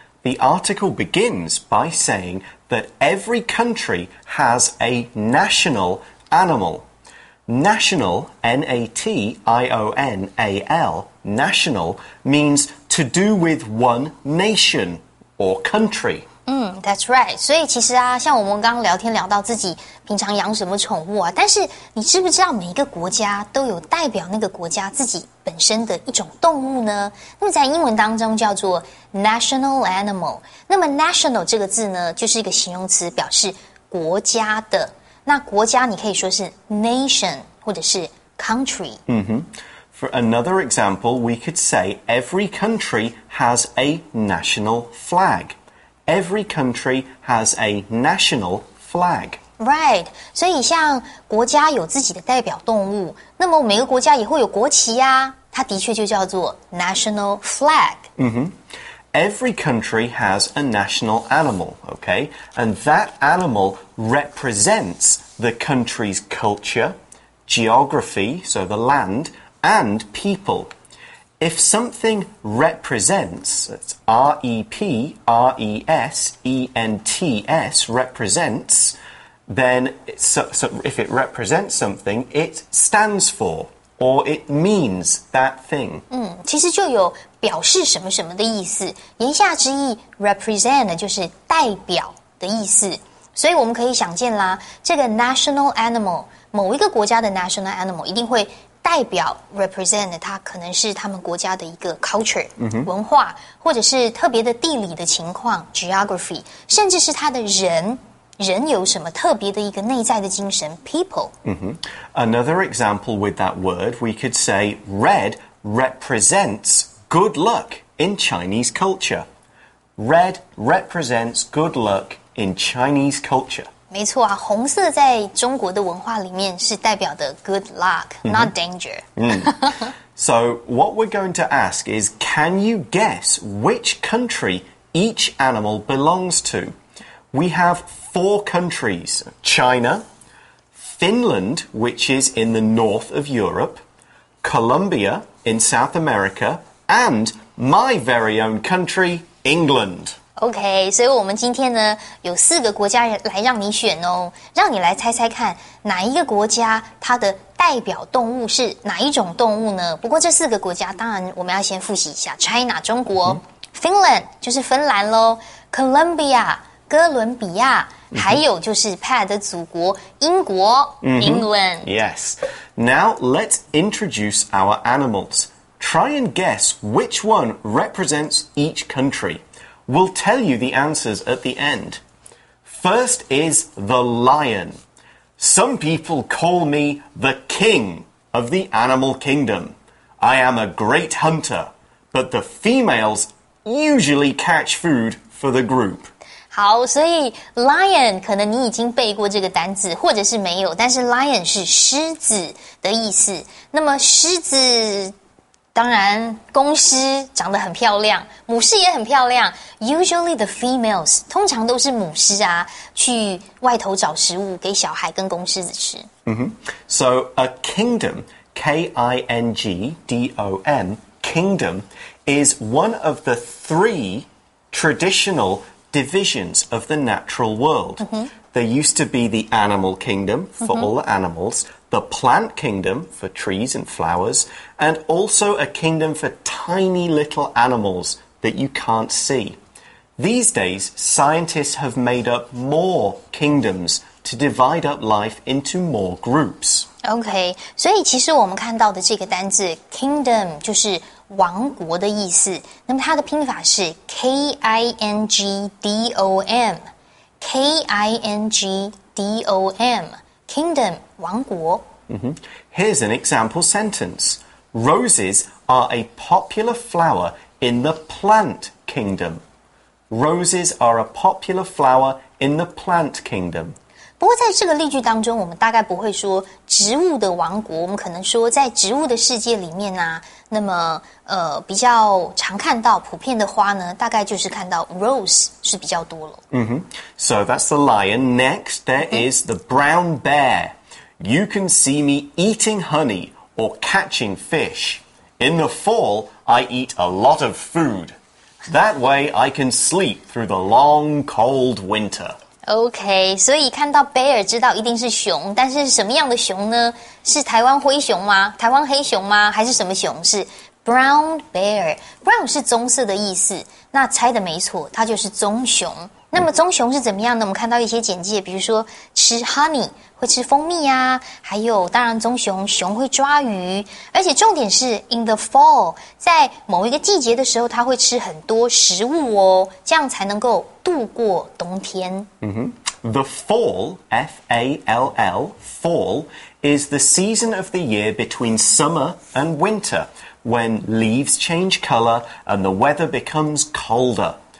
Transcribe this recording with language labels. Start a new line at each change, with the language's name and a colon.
English: The article begins by saying that every country has a national animal. National, N-A-T-I-O-N-A-L, national, means to do with one nation or country. That's right.
Chinese: 所以其实啊，像我们刚刚聊天聊到自己平常养什么宠物啊，但是你知不知道每一个国家都有代表那个国家自己本身的一种动物呢？那么在英文当中叫做 national animal。那么 national 这个字呢，就是一个形容词，表示国家的。那国家你可以说是 nation 或者是 country、 mm-hmm.
English: For another example, we could say every country has a national flag. every country has a national flag. Right.
Chinese: 所以像国家有自己的代表动物，那么每个国家也会有国旗呀。它的确就叫做 national flag. Mm-hmm.
English: Every country has a national animal, okay? And that animal represents the country's culture, geography, so the land, and people. If something represents, it's R-E-P-R-E-S-E-N-T-S, represents, then so if it represents something, it stands for. Or it means that thing.
Chinese: 其实就有表示什么什么的意思。言下之意 ,represent 就是代表的意思。所以我们可以想见啦，这个 national animal, 某一个国家的 national animal 一定会代表 represent 它可能是他们国家的一个 culture,、 mm-hmm. 文化，或者是特别的地理的情况 ,geography, 甚至是他的人。人有什么特别的一个内在的精神 ,people.、 Mm-hmm.
English: Another example with that word, we could say red represents good luck in Chinese culture. Red represents good luck in Chinese culture.
Chinese: 没错啊，红色在中国的文化里面是代表的 good luck,、mm-hmm.
English: not danger.、 Mm. So what we're going to ask is, can you guess which country each animal belongs to? We have four countries, China, Finland, which is in the north of Europe, Colombia in South America, and my very own country, England.
Chinese: Okay, 所以我们今天呢有四个国家来让你选哦，让你来猜猜看哪一个国家它的代表动物是哪一种动物呢？不过这四个国家当然我们要先复习一下 China, 中国、mm-hmm. Finland, 就是芬兰咯 Colombia,哥伦比亚、mm-hmm. 还有就是 Pat 的祖国英国、mm-hmm.
English: England. Yes. Now let's introduce our animals. Try and guess which one represents each country. We'll tell you the answers at the end. First is the lion. Some people call me the king of the animal kingdom. I am a great hunter, but the females usually catch food for the group.
Chinese: 好，所以 lion 可能你已经背过这个单字，或者是没有，但是 lion 是狮子的意思。那么狮子，当然公狮长得很漂亮，母狮也很漂亮。
English: Usually the females
Chinese: 通常都是母狮啊，去外头找食物给小孩跟公狮子吃。 Mm-hmm.
English: So a kingdom, K-I-N-G-D-O-M, kingdom is one of the three traditional. Divisions of the natural world.、 Mm-hmm. There used to be the animal kingdom for、mm-hmm. all the animals, the plant kingdom for trees and flowers, and also a kingdom for tiny little animals that you can't see. These days, scientists have made up more kingdoms to divide up life into more groups.
Chinese: Okay, 所以其实我们看到的这个单字 kingdom 就是王国的意思，那么它的拼法是 K-I-N-G-D-O-M K-I-N-G-D-O-M Kingdom, 王国、 mm-hmm.
English: Here's an example sentence. Roses are a popular flower in the plant kingdom. Roses are a popular flower in the plant kingdom.
Chinese: 不过在这个例句当中，我们大概不会说植物的王国，我们可能说在植物的世界里面啊，那么比较常看到普遍的花呢，大概就是看到 rose 是比较多了。
English: Mm-hmm. So that's the lion. Next, there、mm-hmm. is the brown bear. You can see me eating honey or catching fish. In the fall, I eat a lot of food. That way, I can sleep through the long, cold winter.
Chinese: Okay, 所以看到 bear 知道一定是熊，但是什么样的熊呢？是台湾灰熊吗？台湾黑熊吗？还是什么熊？是 brown bear. Brown 是棕色的意思，那猜的没错，它就是棕熊。那么棕熊是怎么样呢？我们看到一些简介，比如说吃 honey, 会吃蜂蜜啊，还有当然棕熊，熊会抓鱼，而且重点是
English: in the fall,
Chinese: 在某一个季节的时候，它会吃很多食物哦，这样才能够度过冬天。 Mm-hmm.
English: The fall, F-A-L-L, fall, is the season of the year between summer and winter, when leaves change color and the weather becomes colder.